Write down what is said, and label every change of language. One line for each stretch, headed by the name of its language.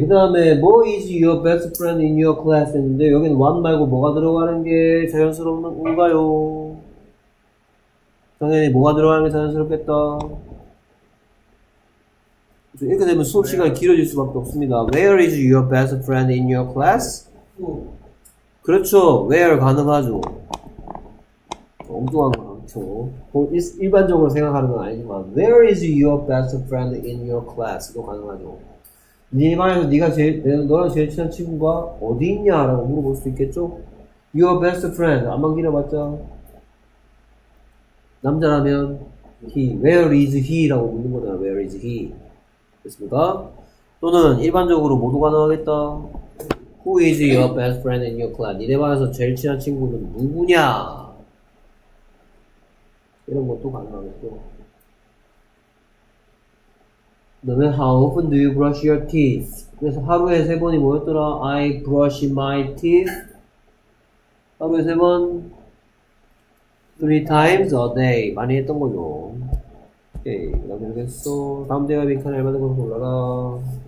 Korean: 그 다음에,
English: What is your best friend in your class?
Korean: 했는데, 여긴 one 말고 뭐가 들어가는 게 자연스러운가요? 당연히 뭐가 들어가는 게 자연스럽겠다. 이렇게 되면 수업 시간이 길어질 수밖에 없습니다.
English: Where is your best friend in your class?
Korean: 그렇죠. Where 가능하죠. 엉뚱한 거 많죠. 일반적으로 생각하는 건 아니지만,
English: Where is your best friend in your class?
Korean: 도 가능하죠. 네 반에서 네가 제일 너랑 제일 친한 친구가 어디 있냐라고 물어볼 수 있겠죠.
English: Your best friend
Korean: 안만 길어봤자 남자라면 he.
English: Where is he?
Korean: 라고 묻는 거잖아.
English: Where is he?
Korean: 됐습니까? 또는 일반적으로 모두 가능하겠다.
English: Who is your best friend in your class?
Korean: 니네 반에서 제일 친한 친구는 누구냐? 이런 것도 가능하겠죠. 그다음에
English: How often do you brush your teeth?
Korean: 그래서 하루에 세 번이 뭐였더라?
English: I brush my teeth.
Korean: 하루에 세 번.
English: Three times a day.
Korean: 많이 했던 거죠. 오케이, 그럼 이렇게 했어. 다음 대화 빈칸에 얼마든 골라라.